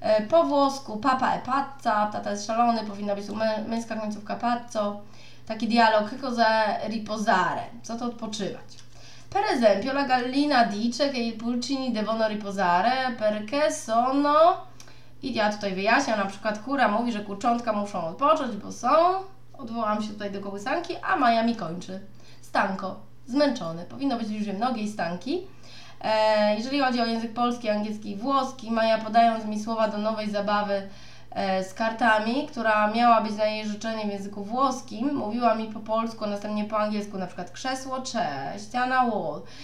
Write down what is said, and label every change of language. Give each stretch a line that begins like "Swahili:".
Polish: Po włosku
Italian: papa e pazza,
Polish: tata jest szalony, powinna być tu męska końcówka pazzo. Taki dialog,
Italian: che cosa riposare?
Polish: Co to odpoczywać?
Italian: Per esempio, la gallina dice che i pulcini devono riposare perché sono...
Polish: I ja tutaj wyjaśniam, na przykład kura mówi, że kurczątka muszą odpocząć, bo są. Odwołam się tutaj do kołysanki, a Maja mi kończy. Stanko, zmęczony. Powinno być już nogi i stanki. Jeżeli chodzi o język polski, angielski i włoski, Maja podając mi słowa do nowej zabawy z kartami, która miała być na jej życzenie w języku włoskim, mówiła mi po polsku, następnie po angielsku, na przykład krzesło, cześć, ściana, wall.